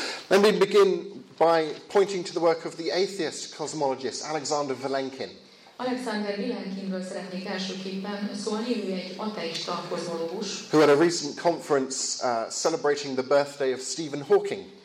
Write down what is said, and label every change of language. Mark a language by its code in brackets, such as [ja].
[en] Let me begin by pointing to the work of the atheist cosmologist Alexander Vilenkin. [hu] Alexander Vilenkinről szeretnék elsőképpen szólni, ő egy ateista kozmológus. [en] Who had a recent conference celebrating the birthday of Stephen Hawking.